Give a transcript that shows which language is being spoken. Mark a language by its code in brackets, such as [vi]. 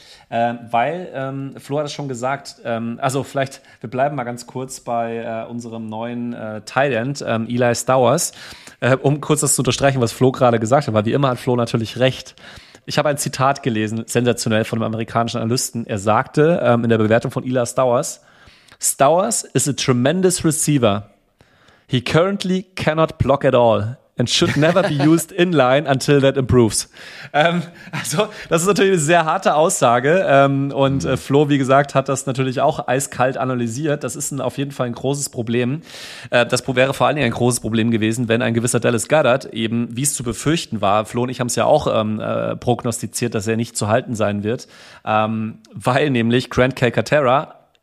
[de] Weil Flo hat es schon gesagt, also vielleicht, wir bleiben mal ganz kurz bei unserem neuen Tight End, Eli Stowers, um kurz das zu unterstreichen, was Flo gerade gesagt hat, weil wie immer hat Flo natürlich recht. Ich habe ein Zitat gelesen, sensationell, von einem amerikanischen Analysten. Er sagte in der Bewertung von Eli Stowers: [en] Stowers is a tremendous receiver. He currently cannot block at all. And should never be used inline until that improves. [de] Also, das ist natürlich eine sehr harte Aussage. Flo, wie gesagt, hat das natürlich auch eiskalt analysiert. Das ist auf jeden Fall ein großes Problem. Das wäre vor allen Dingen ein großes Problem gewesen, wenn ein gewisser Dallas Goedert eben, wie es zu befürchten war, Flo und ich haben es ja auch prognostiziert, dass er nicht zu halten sein wird, weil nämlich Grant Calcaterra